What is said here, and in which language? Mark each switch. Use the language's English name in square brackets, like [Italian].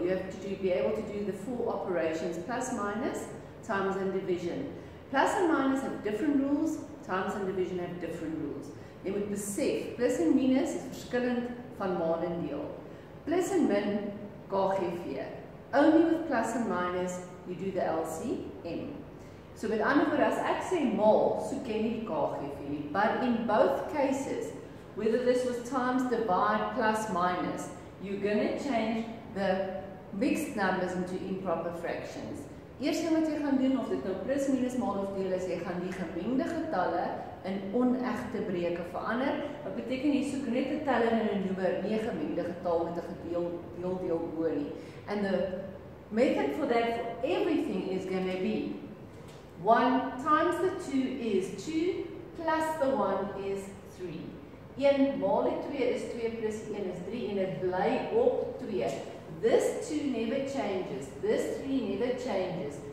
[English] You have to be able to do the 4 operations, plus, minus, times and division. Plus and minus have different rules, times and division have different rules. [Afrikaans] Jy moet besef, plus en minus is verskillend van maal en deel. Plus en min, KGV. [English] Only with plus and minus, you do the LCM. [Afrikaans] So met ander woord, as ek sê maal, so ken jy die KGV. [English] But in both cases, whether this was times, divide, plus, minus, you're going to change the mixed numbers into improper fractions. [Afrikaans] Eerst wat jy gaan doen, of dit nou plus, minus, maal of deel is, jy gaan die gemengde getalle in onegte breuke verander. Wat beteken jy soek net te tel in 'n nuwe nie gemengde getal met 'n gedeeldeel oor nie. [English] And the method for that for everything is going to be 1 times the 2 is 2 plus the 1 is 3. [Afrikaans] 1 maal 2 is 2 plus 1 is 3 en het bly op 2. [English] This 2 never changes. This 3 never changes.